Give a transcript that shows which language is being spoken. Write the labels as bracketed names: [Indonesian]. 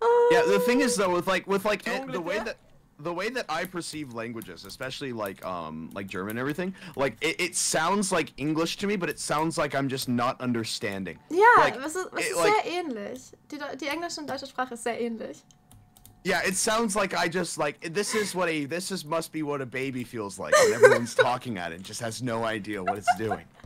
[English] Yeah, the thing is though, with like the way that I perceive languages, especially like German and everything, like it sounds like English to me, but it sounds like I'm just not understanding. [German] Yeah, ähnlich. Die englische und deutsche Sprache ist sehr ähnlich. [English] Yeah, it sounds like I just like this must be what a baby feels like when everyone's talking at it and just has no idea what it's doing.